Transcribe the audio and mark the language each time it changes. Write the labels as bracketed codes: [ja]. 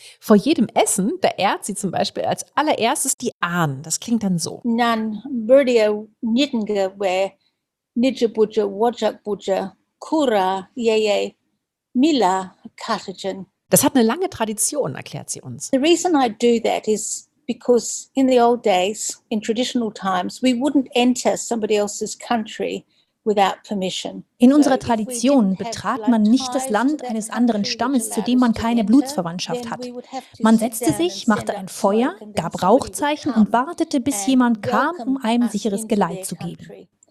[de] Vor jedem Essen, da ehrt sie zum Beispiel als allererstes die Ahnen. Das klingt dann so. [nys] Nan, Birdia, Nidengewe, Nidjebuche, Wajakbuche, Kura, Yeye, Mila, Katajan. [de] Das hat eine lange Tradition, erklärt sie uns. [en] The reason I do that is because in the old days, in traditional times, we wouldn't enter somebody else's country [de] In unserer Tradition betrat man nicht das Land eines anderen Stammes, zu dem man keine Blutsverwandtschaft hat. Man setzte sich, machte ein Feuer, gab Rauchzeichen und wartete, bis jemand kam, um einem sicheres Geleit zu geben.